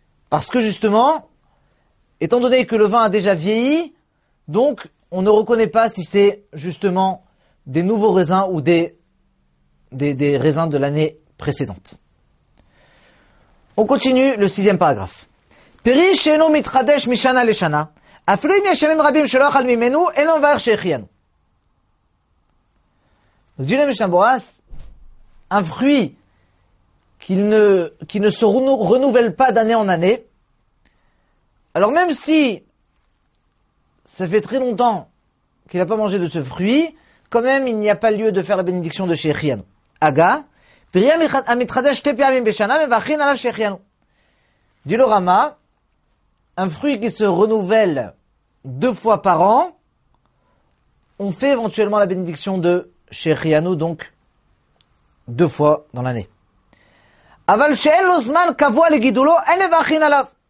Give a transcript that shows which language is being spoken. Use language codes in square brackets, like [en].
[fr] Parce que justement, étant donné que le vin a déjà vieilli, donc on ne reconnaît pas si c'est justement des nouveaux raisins ou des raisins de l'année précédente. On continue le 6e paragraphe. [he] פרי שאינו מתחדש משנה לשנה, אפילו אם יש ימים רבים שלא אכל ממנו, אין לו מבאר שהחיינו. [fr] Donc, dit le Mishnah Berurah, un fruit qui ne se renouvelle pas d'année en année, alors même si ça fait très longtemps qu'il n'a pas mangé de ce fruit, quand même il n'y a pas lieu de faire la bénédiction de שהחיינו. [he] Aga, פרי המתחדש שתי פעמים בשנה, מברכין עליו שהחיינו. [fr] Dit le Rama, un fruit qui se renouvelle deux fois par an, on fait éventuellement la bénédiction de Shechianu, donc deux fois dans l'année. [he] Aval she'en lo zman kavua le gidulo, en levachin alav.